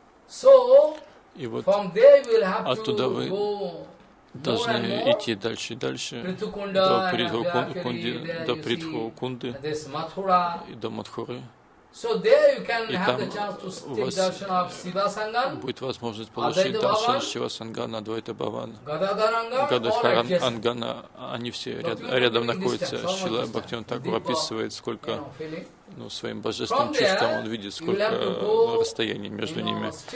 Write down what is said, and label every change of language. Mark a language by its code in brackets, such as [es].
[en] Actually, so from there you will have to go more and more. [ru] Должны идти дальше и дальше до Притхукунды, до Притхукунды и до Матхуры. [en] So there you can have the chance to take darshan of Shiva Sangam. [ru] Будет возможность получить [en] darshan Shiva Sangam, Advaita Bhavan, Gadadharan Angana. [ru] Они все рядом находятся. Шрила Бхактивинода Тхакур описывает, сколько. Ну, своим божественным чувством он видит, сколько расстояний между ними.